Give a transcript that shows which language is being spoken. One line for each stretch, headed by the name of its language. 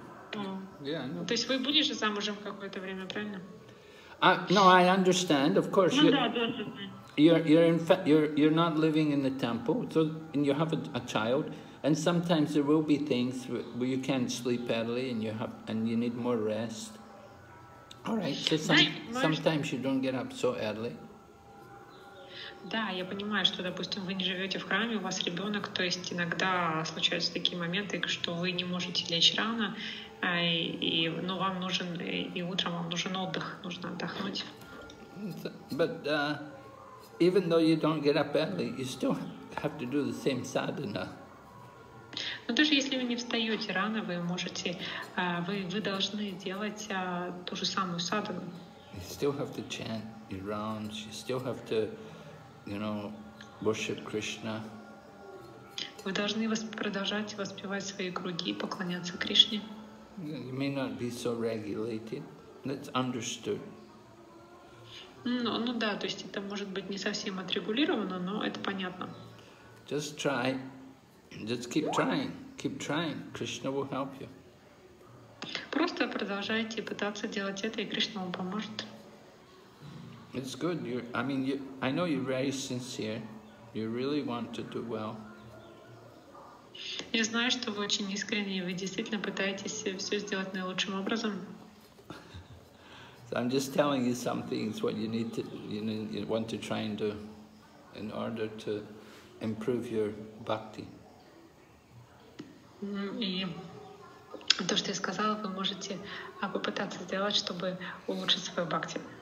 English: Yes, she was.
Russian: То есть вы будете замужем какое-то время, правильно?
English: No, I understand. Of course.
Russian: Ну да, тоже.
English: You're not living in the temple, so and you have a child, and sometimes there will be things where you can't sleep early, and you need more rest. All right, so sometimes you don't get up so early.
Russian: Да, я понимаю, что, допустим, вы не живете в храме, у вас ребенок, то есть иногда случаются такие моменты, что вы не можете лечь рано, но вам нужен и утром вам нужен отдых, нужно отдохнуть.
English: Even though you don't get up early, you still have to do the same sadhana.
Russian: Но даже если вы не встаете рано, вы можете, вы должны делать ту же самую садхану.
English: You still have to chant your rounds. You still have to, you know, worship Krishna.
Russian: Вы должны продолжать воспевать свои круги и поклоняться Кришне.
English: You may not be so regulated. That's understood.
Russian: Ну да, то есть это может быть не совсем отрегулировано, но это понятно.
English: Just try. Just keep trying. Keep trying. Krishna will help you.
Russian: Просто продолжайте пытаться делать это, и Кришна вам поможет.
English: It's good. I know you're very sincere. You really want to do well.
Russian: Я знаю, что вы очень искренне, вы действительно пытаетесь все сделать наилучшим образом.
English: So I'm just telling you some things what you need to, you want to try and do in order to improve your bhakti.
Russian: И то, что я сказала, вы можете попытаться сделать, чтобы улучшить свою бхакти.